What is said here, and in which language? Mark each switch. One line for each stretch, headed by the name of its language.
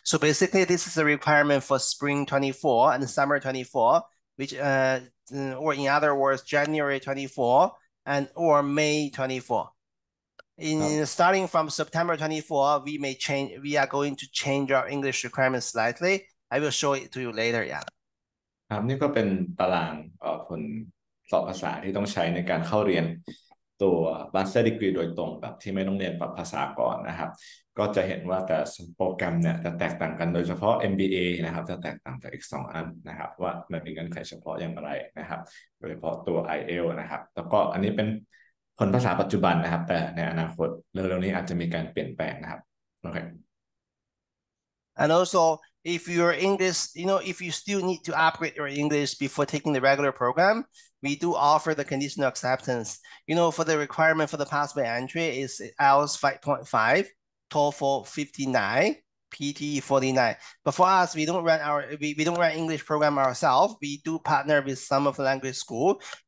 English: So basically, this is a requirement for spring 24 and summer 24, which or in other words, January 24. And or May 24. In starting from September 24, we may change. We are going to change our English requirements slightly. I will show it to you later. Yeah.
Thai: ครับนี่ก็เป็นตารางผลสอบภาษาที่ต้องใช้ในการเข้าเรียนตัว Master Degree โดยตรงแบบที่ไม่ต้องเรียนปรับภาษาก่อนนะครับก็จะเห็นว่าแต่โปรแกรมเนี่ยจะแตกต่างกันโดยเฉพาะ MBA นะครับจะแตกต่างจากอีก2อันนะครับว่ามันมีเงื่อนไขเฉพาะอย่างไรนะครับโดยเฉพาะตัว IELTS นะครับแล้วก็อันนี้เป็นผลภาษาปัจจุบันนะครับแต่ในอนาคตเร็วๆนี้อาจจะมีการเปลี่ยนแปลงนะครับโอเค
English: And also if your English you know if you still need to upgrade your English before taking the regular program we do offer the conditional acceptance you know for the requirement for the pathway entry is IELTS 5.5 TOEFL 59 PT 49 but for us we don't run our we don't run English program ourselves we do partner with some of the language school